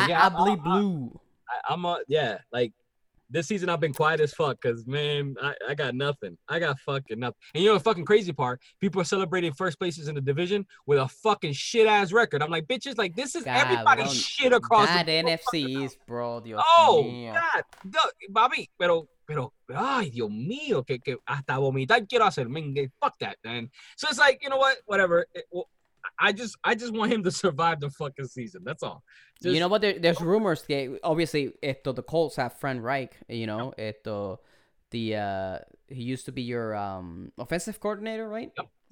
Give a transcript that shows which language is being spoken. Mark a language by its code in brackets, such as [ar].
[en] Yeah, I bleed blue. This season I've been quiet as fuck because, man, I got nothing. I got fucking nothing. And you know the fucking crazy part? People are celebrating first places in the division with a fucking shit-ass record. I'm like, bitches, like, this is everybody's shit across the board. NFC East, bro. Dios mío. Oh, God. [es] Bobby, pero, ay, Dios mío, que hasta vomitar quiero hacer. [en] Man, fuck that, man. So it's like, you know what? Whatever. I just want him to survive the fucking season. That's all. Just, you know what? There's rumors. Obviously, the Colts have Frank Reich. You know, yep. He used to be your offensive coordinator, right? Yep.